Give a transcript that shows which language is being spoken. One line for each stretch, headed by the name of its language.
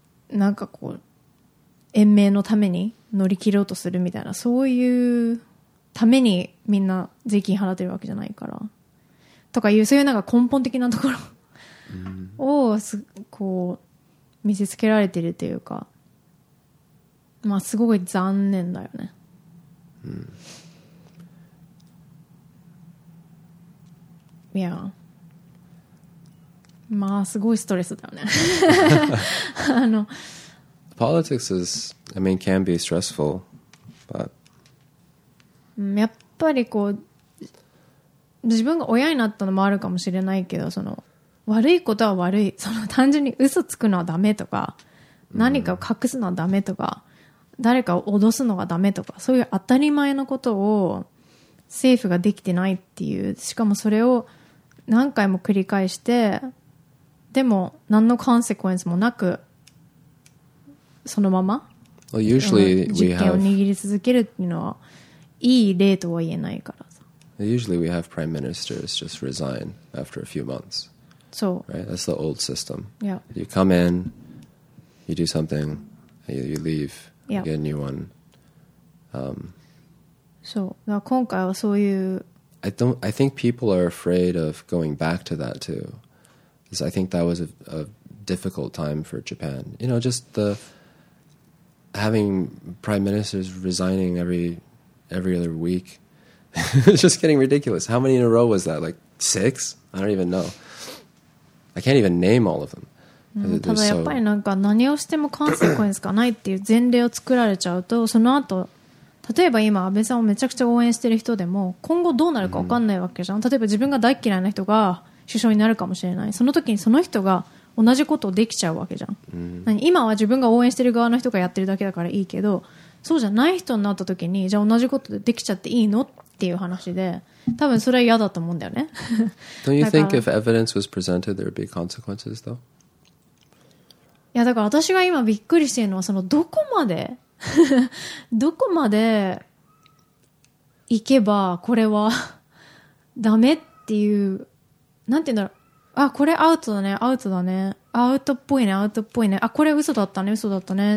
Japanese: なんかこう延命のために乗り切ろうとするみたいな、そういうためにみんな税金払ってるわけじゃないからとかいう、そういうなんか根本的なところをすこう見せつけられてるというか、まあすごい残念だよね。うん、いや、まあすごいストレスだよね。あの、
English: politics is, I mean, can be stressful, but
Japanese: やっぱりこう。自分が親になったのもあるかもしれないけど、その悪いことは悪い、その単純に嘘つくのはダメとか何かを隠すのはダメとか、うん、誰かを脅すのはダメとか、そういう当たり前のことを政府ができてないっていう、しかもそれを何回も繰り返してでも何のコンセクエンスもなくそのまま、
English: well, usually we have...
Japanese: 実権を握り続けるっていうのはいい例とは言えないから、
English: Usually we have prime ministers just resign after a few months. So, right? That's the old system. Yeah. You come in, you do something, and you leave, yeah. you get a new one.
Japanese: So, だから今回はそういう
English: I think people are afraid of going back to that too. Because I think that was a difficult time for Japan. You know, just the having prime ministers resigning every other week. It's just getting ridiculous. How many in a row was that? Like six? I don't even know. I can't even name all of them.
Japanese: ただやっぱりなんか何をしてもコンセクエンスがないっていう前例を作られちゃうと、その後例えば今安倍さんをめちゃくちゃ応援してる人でも今後どうなるか分かんないわけじゃん。例えば自分が大嫌いな人が首相になるかもしれない、その時にその人が同じことをできちゃうわけじゃん。今は自分が応援してる側の人がやってるだけだからいいけど、そうじゃない人になった時にじゃあ同じことでできちゃっていいのっていう話で、多分それは嫌だと思うんだよね。
English: Don't you think if evidence was presented, there would be consequences, though?
Japanese: いや、だから私が今びっくりしているのは、そのどこまで、どこまで行けばこれはダメっていう、なんて言うんだろう。あ、これアウトだね、アウトだね。アウトっぽいね、アウトっぽいね。あ、これ嘘だったね、嘘だったね。